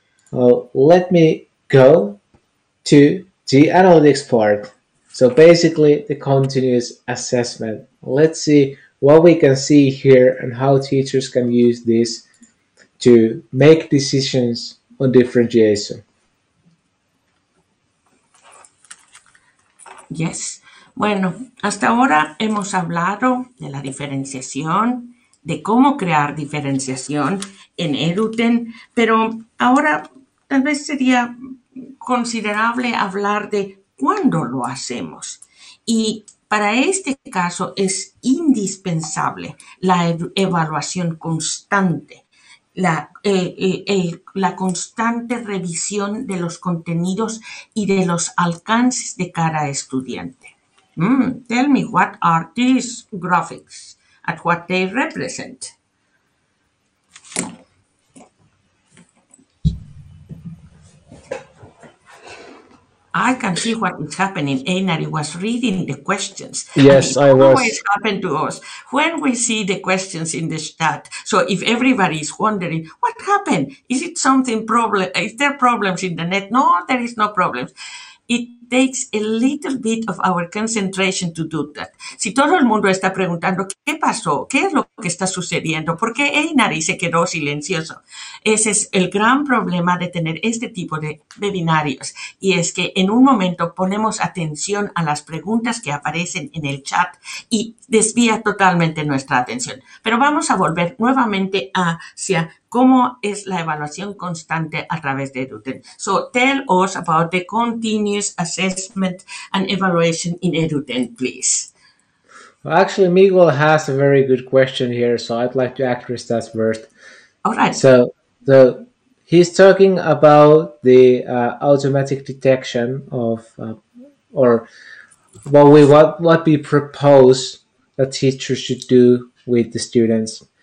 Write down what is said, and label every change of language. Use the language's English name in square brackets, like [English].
[English] Well, let me go to the analytics part. So basically the continuous assessment. Let's see what we can see here and how teachers can use this to make decisions on differentiation. Yes. [Spanish] Bueno, hasta ahora hemos hablado de la diferenciación, de cómo crear diferenciación en Eduten, pero ahora tal vez sería considerable hablar de cuándo lo hacemos. Y para este caso es indispensable la evaluación constante, la constante revisión de los contenidos y de los alcances de cada estudiante. [English] Tell me, what are these graphics and what they represent? I can see what is happening. Einari was reading the questions. Yes, I was. Always happened to us when we see the questions in the chat. So if everybody is wondering, what happened? Is it something problem? Is there problems in the net? No, there is no problems. It takes a little bit of our concentration to do that. [Spanish] Si todo el mundo está preguntando qué pasó, qué es lo que está sucediendo, por qué Einari se quedó silencioso. Ese es el gran problema de tener este tipo de webinarios. Y es que en un momento ponemos atención a las preguntas que aparecen en el chat y desvía totalmente nuestra atención. Pero vamos a volver nuevamente hacia cómo es la evaluación constante a través de Eduten. [English] So tell us about the continuous assessment and evaluation in Eduten, please. Well, actually, Miguel has a very good question here, so I'd like to address that first. All right. So he's talking about the automatic detection of, what we propose a teacher should do with the students.